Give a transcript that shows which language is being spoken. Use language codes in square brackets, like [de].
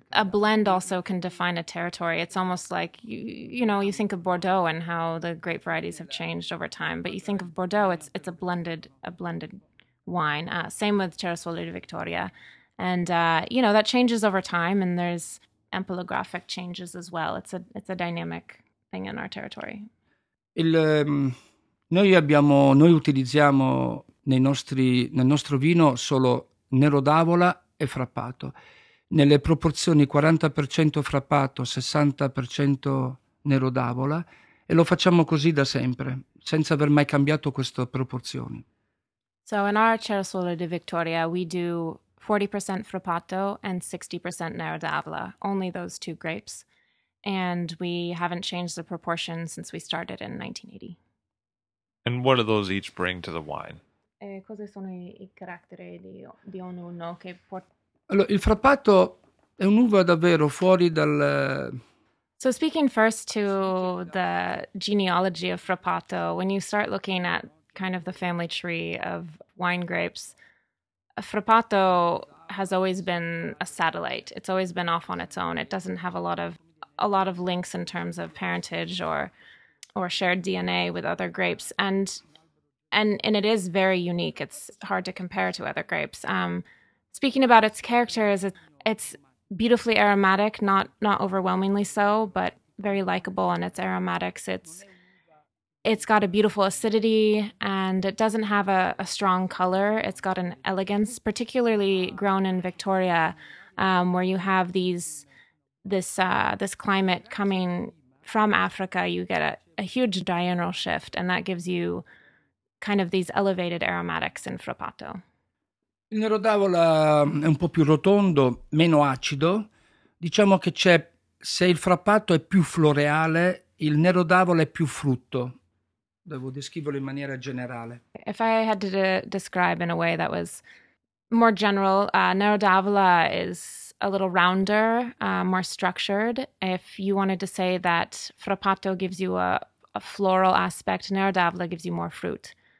[it] cambiato. [en] A blend also can define a territory. It's almost like, you know, you think of Bordeaux and how the grape varieties have changed over time, but you think of Bordeaux, it's a blended wine. Same with Cerasuolo di Vittoria. And, you know, that changes over time, and there's... ampelographic changes as well. It's a dynamic thing in our territory. [it] Il Noi utilizziamo nel nostro vino solo nero d'Avola e frappato. Nelle proporzioni 40% frappato, 60% nero d'Avola, e lo facciamo così da sempre, senza aver mai cambiato queste proporzioni. [en] So in our Cerasuolo di Victoria we do 40% frappato and 60% nero d'Avola, only those two grapes, and we haven't changed the proportion since we started in 1980. And what do those each bring to the wine? [it] E cosa sono i caratteri di ognuno che Allora, il frappato è un'uva davvero fuori dal [en] So speaking first to the genealogy of frappato, when you start looking at kind of the family tree of wine grapes, frappato has always been a satellite. It's always been off on its own. It doesn't have a lot of links in terms of parentage or shared DNA with other grapes. And it is very unique. It's hard to compare to other grapes. Speaking about its characters, it's beautifully aromatic, not overwhelmingly so, but very likable in its aromatics. It's got a beautiful acidity, and it doesn't have a strong color. It's got an elegance, particularly grown in Victoria, where you have this climate coming from Africa. You get a huge diurnal shift, and that gives you kind of these elevated aromatics in Frappato. [it] Il nero d'Avola è un po' più rotondo, meno acido. Diciamo che c'è, se il frappato è più floreale, il nero d'Avola è più frutto. Devo descriverlo in maniera generale. [en] If I had to describe in a way that was more general, nero d'Avola is a little rounder, more structured. If you wanted to say that frappato gives you a floral aspect, nero d'Avola gives you more fruit.